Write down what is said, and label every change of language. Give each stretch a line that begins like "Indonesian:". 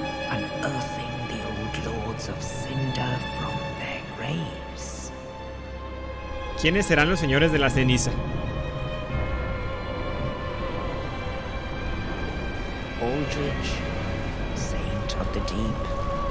English: Unearthing the old lords of Cinder from their graves.
Spanish: ¿Quiénes serán los señores de la ceniza?
English: Aldrich, Saint of the Deep.